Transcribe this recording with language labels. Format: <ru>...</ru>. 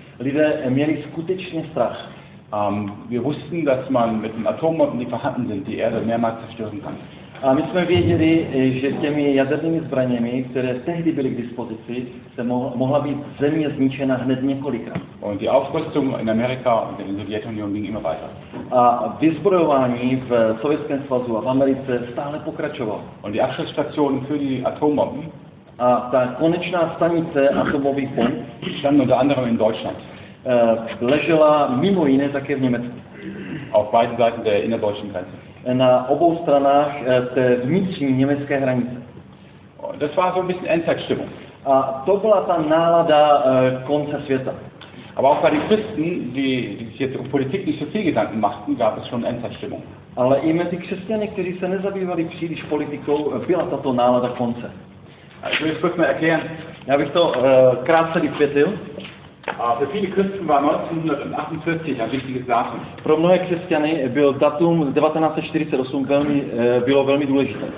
<cs>Lidé měli skutečně strach.</cs> <de>Wir wussten, dass man mit den Atombomben, die vorhanden sind, die Erde mehrmals zerstören kann.</de> <cs>A my jsme věděli, že těmi jadernými zbraněmi, které tehdy byly k dispozici, se mohla být země zničena hned několikrát.</cs> <de>Und die Aufrüstung in Amerika und in der Sowjetunion ging immer weiter.</de> <cs>A vyzbrojování v Sovětském svazu a v Americe stále pokračovalo.</cs> <de>Und die Abschussstationen für die Atombomben.</de> <cs>A ta konečná stanice atomových bomb</cs> <de>stand unter anderem in Deutschland.</de> <cs>Ležela mimo jiné také v Německu.</cs> <de>Auf beiden Seiten der innerdeutschen Grenze.</de> <cs>Na obou stranách té vnitřní německé hranice.</cs> <de>Das war so ein bisschen Endzeitstimmung.</de> <cs>A to byla ta nálada konce světa.</cs> <de>Aber auch bei den Christen, die sich jetzt um Politik nicht so viel Gedanken machten, gab es schon Endzeitstimmung.</de> <cs>Ale i mezi křesťany, kteří se nezabývali příliš politikou, byla tato nálada konce.</cs> <de>Also, ich würde mir erklären.</de> <cs>Já bych to krátce vysvětlil.</cs> <de>Für viele Christen war 1948 ein wichtiges Datum.</de> <cs>Pro mnohé křesťany byl datum 1948 velmi bylo velmi důležité.</cs>